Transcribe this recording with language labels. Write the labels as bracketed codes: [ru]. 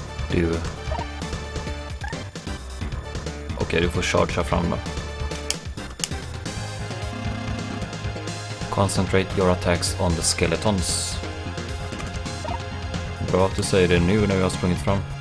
[sv] Du. Okej, du får chargea fram då. [en] Concentrate your attacks on the skeletons. [sv] Bra att du säger det nu när vi har sprungit fram.